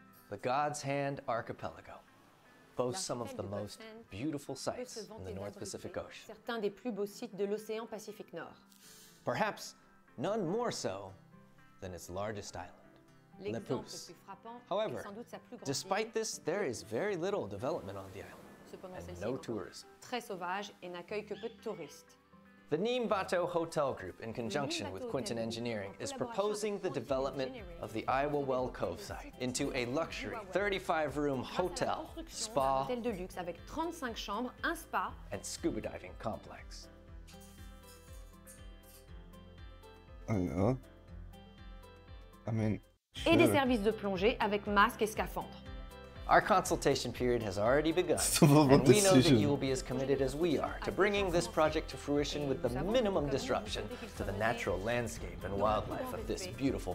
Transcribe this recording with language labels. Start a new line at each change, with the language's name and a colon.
English: The God's Hand Archipelago boasts some of the most beautiful sites in the North Pacific Ocean.
French: Certains des plus beaux sites de l'océan Pacifique Nord.
English: Perhaps none more so than its largest island, Nepos. However, despite this, there is very little development on the island, and no tourism.
French: Très sauvage et n'accueille que peu de touristes.
English: The Neem Bato Hotel Group, in conjunction with Quinton Engineering, is proposing the development of the Iowa Well Cove site into a luxury 35-room hotel, spa, and scuba diving complex. I mean,
French: et des services de plongée avec masque et scaphandre.
English: Our consultation period has already begun, and we know that you will be as committed as we are to bringing this project to fruition with the minimum disruption to the natural landscape and wildlife of this beautiful